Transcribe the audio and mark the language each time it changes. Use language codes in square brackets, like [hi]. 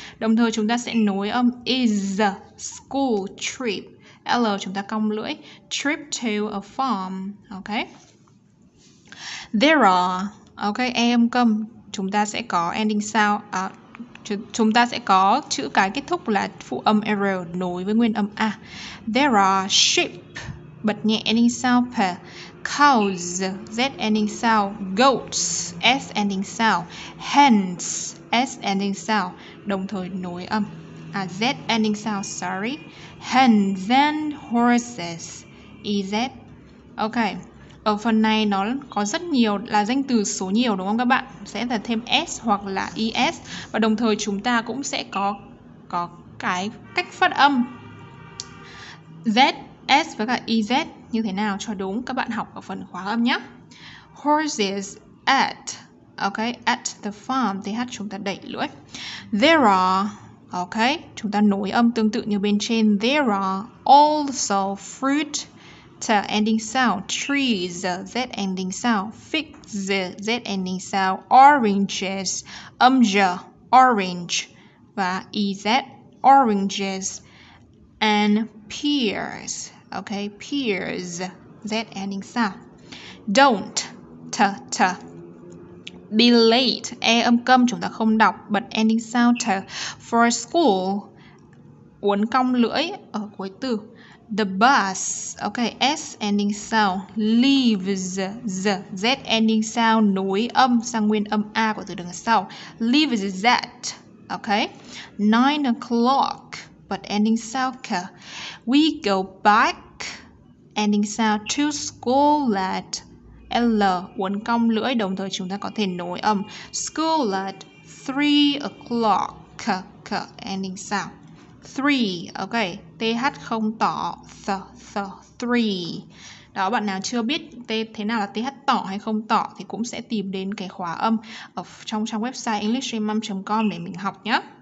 [vi] Đồng thời chúng ta sẽ nối âm [en] is a school trip. [vi] L chúng ta cong lưỡi, [en] trip to a farm, ok. There are, ok, [vi] em cầm, chúng ta sẽ có ending sound, chúng ta sẽ có chữ cái kết thúc là phụ âm arrow nối với nguyên âm A. [en] There are sheep, [vi] bật nhẹ [en] ending sound, p, cows, z ending sound, goats, s ending sound, hens, s ending sound, [vi] đồng thời nối âm. [en] A Z ending sound, sorry. Hens and horses. EZ. Ok. [vi] Ở phần này nó có rất nhiều là danh từ số nhiều đúng không các bạn? Sẽ là thêm S hoặc là ES. Và đồng thời chúng ta cũng sẽ có cái cách phát âm Z, S với cả EZ như thế nào cho đúng. Các bạn học ở phần khóa âm nhé. [en] Horses at. Ok. At the farm. [vi] TH chúng ta đẩy lưỡi. [en] There are. [vi] Ok, chúng ta nối âm tương tự như bên trên. [en] There are also fruit, t ending sound, trees, z ending sound, figs, z ending sound, oranges, j, orange, và ez, oranges, and pears. Ok, pears, z ending sound. Don't, t, t. Be late, [vi] e âm câm, chúng ta không đọc, bật ending sound, t, [en] for school, [vi] uốn cong lưỡi ở cuối từ. [en] The bus, ok, s ending sound, leaves, z ending sound, [vi] nối âm sang nguyên âm A của từ đằng sau. [en] Leaves that, ok. 9 o'clock, bật ending sound, k. We go back, ending sound, to school at. [vi] L, uốn cong lưỡi, đồng thời chúng ta có thể nối âm. [en] School at 3 o'clock. K, k, ending sound. 3, ok. [vi] TH không tỏ. Th, th, 3. Đó, bạn nào chưa biết thế nào là TH tỏ hay không tỏ thì cũng sẽ tìm đến cái khóa âm ở trong trang website englishmom.com để mình học nhé.